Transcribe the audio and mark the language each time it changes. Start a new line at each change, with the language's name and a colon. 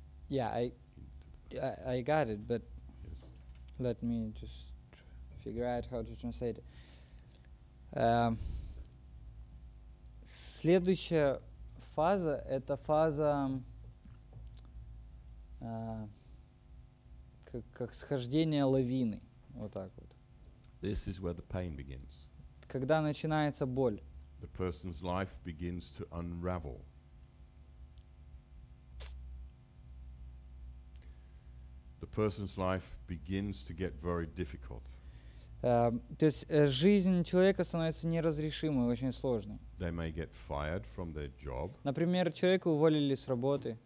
English: Yeah, I got it, but let me just figure out how to translate it.
Russian: Следующая фаза — это фаза как схождение лавины. Вот так вот.
English: This is where the pain begins.
Russian: Когда начинается боль.
English: The person's life begins to unravel. The person's life begins to get very difficult.
Russian: То есть жизнь человека становится неразрешимой, очень сложной.
English: They may get fired from their job.
Russian: Например, человека уволили с работы.